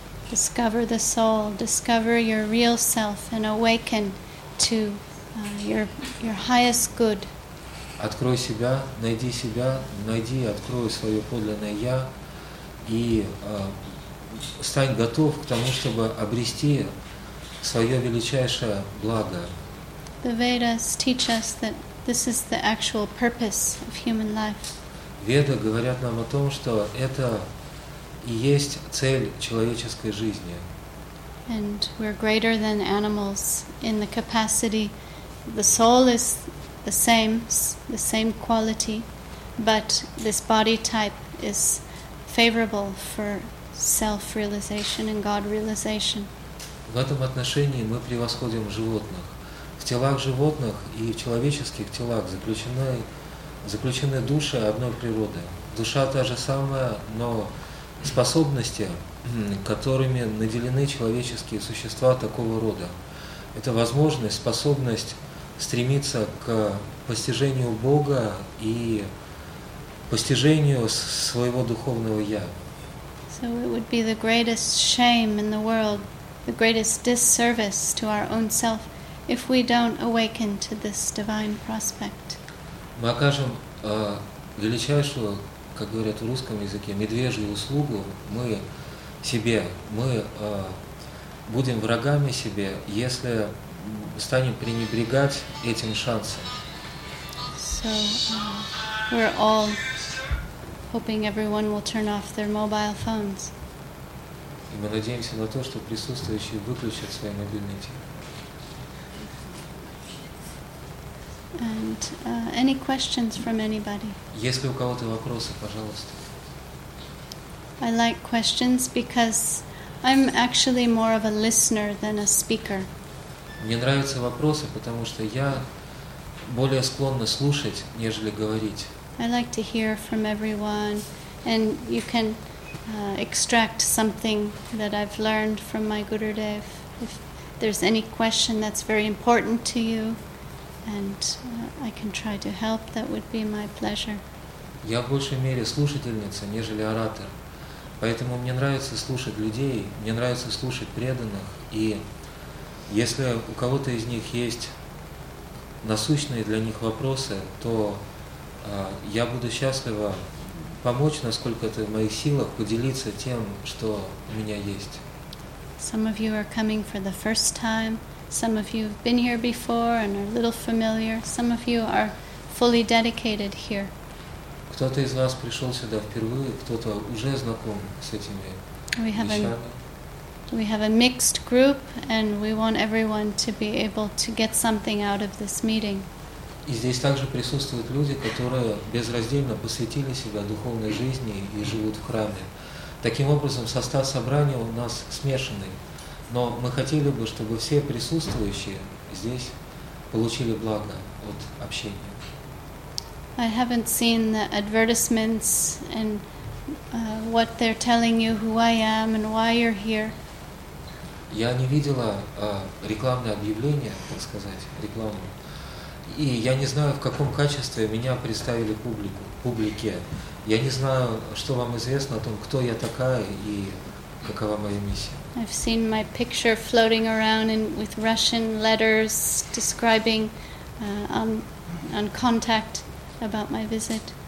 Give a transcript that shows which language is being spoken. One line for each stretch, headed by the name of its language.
English: Discover the soul, discover your real self and awaken to your highest good.
Russian: Открой себя, найди, открой свое подлинное «Я» и стань готов к тому, чтобы обрести свое величайшее благо.
English: The Vedas teach us that this is the actual purpose of human life.
Russian: Веды говорят нам о том, что это и есть цель человеческой жизни.
English: And we're greater than animals in the capacity. The soul is the same quality, but this body type is favorable for self-realization and God-realization.
Russian: В этом отношении мы превосходим животных. В телах животных и в человеческих телах заключены души одной природы. Душа та же самая, но способности, которыми наделены человеческие существа такого рода, это возможность, способность стремиться к постижению Бога и постижению своего духовного «Я».
English: So it would be the greatest shame in the world, the greatest disservice to our own self, if we don't awaken to this divine prospect.
Russian: Мы окажем величайшую, как говорят в русском языке, медвежью услугу мы себе. Мы будем врагами себе, если станем пренебрегать этим шансом.
English: So, we're all hoping everyone will turn off their mobile phones.
Russian: И мы надеемся на то, что присутствующие выключат свои мобильные телефоны.
English: And any questions from anybody?
Russian: Если у кого-то вопросы, пожалуйста.
English: I like questions because I'm actually more of a listener than a speaker.
Russian: Мне нравятся вопросы, потому что я более склонна слушать, нежели говорить.
English: I like to hear from everyone, and you can extract something that I've learned from my Gurudev. If there's any question that's very important to you, and I can try to help, that would be my pleasure.
Russian: Я в большей мере слушательница, нежели оратор. Поэтому мне нравится слушать людей, мне нравится слушать преданных, и если у кого-то из них есть насущные для них вопросы, то я буду счастлива помочь, насколько это в моих силах, поделиться тем, что у меня есть.
English: Some of you are coming for the first time, some of you have been here before and are a little familiar, some of you are fully dedicated here.
Russian: Кто-то из вас пришел сюда впервые, кто-то уже знаком с этими вещами.
English: We have a mixed group, and we want everyone to be able to get something out of this meeting.
Russian: И здесь также присутствуют люди, которые безраздельно посвятили себя духовной жизни и живут в храме. Таким образом, состав собрания у нас смешанный, но мы хотели бы, чтобы все присутствующие здесь получили благо от общения.
English: I haven't seen the advertisements and what they're telling you who I am and why you're here.
Russian: Я не видела рекламное объявление, так сказать, рекламу. И я не знаю, в каком качестве меня представили публике. Я не знаю, что вам известно о том, кто я такая и какова моя миссия.
English: I've seen my picture floating around in with Russian letters describing on contact. About my visit.